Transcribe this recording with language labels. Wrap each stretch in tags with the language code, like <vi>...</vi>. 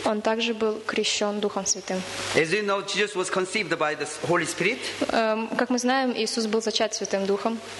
<ru>Он также был крещен Духом Святым.</ru> <en>As you know, Jesus was conceived by the Holy Spirit.</en> <ru>Как мы знаем, Иисус был зачат Святым Духом.</ru>